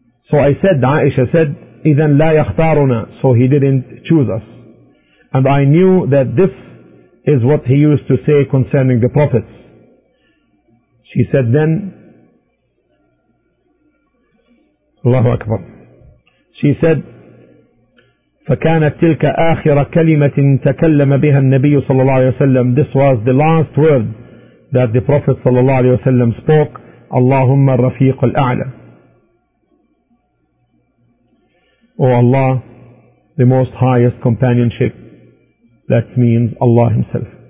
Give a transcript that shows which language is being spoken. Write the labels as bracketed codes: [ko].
[en] So I said, Aisha said, [ar] إِذَنْ لَا يَخْتَارُنَا. [en] So he didn't choose us. And I knew that this is what he used to say concerning the prophets. She said then, Allahu Akbar. She said, [ar] فَكَانَتْ تِلْكَ آخِرَ كَلِمَةٍ تَكَلَّمَ بِهَا النَّبِيُّ صلى الله عليه وسلم. [en] This was the last word that the Prophet [ar] صلى الله عليه وسلم [en] spoke, Allahumma rafiq al-a'la, O Allah, the most highest companionship. That means Allah himself.